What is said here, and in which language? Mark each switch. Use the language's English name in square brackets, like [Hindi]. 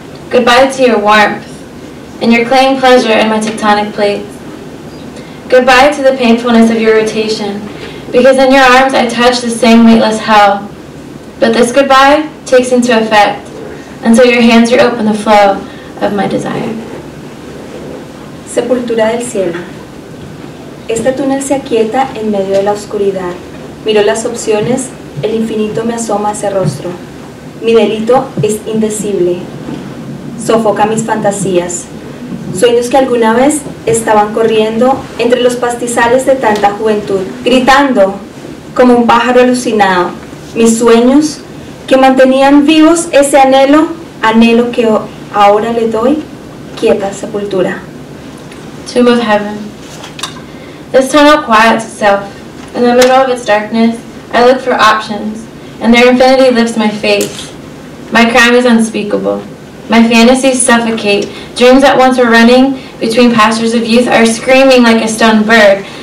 [English] Goodbye to your warmth and your claimed pleasure in my tectonic plates. Goodbye to the painfulness of your rotation, because in your arms I touch the same weightless hell. But this goodbye takes into effect until your hands reopen the flow of my desire. [Spanish] Sepultura del cielo. Este túnel se aquieta en medio de la oscuridad. Miro las opciones, el infinito me asoma ese rostro. Mi delito es indecible. Sofoca mis fantasías. Sueños que alguna vez estaban corriendo entre los pastizales de tanta juventud, gritando como un pájaro alucinado. Mis sueños que mantenían vivos ese anhelo, anhelo que ahora le doy quieta sepultura. [English] Tomb of Heaven. This tunnel quiets itself. In the middle of its darkness, I look for options, and their infinity lifts my face. My crime is unspeakable. My fantasies suffocate. Dreams that once were running between pastures of youth are screaming like a stoned bird.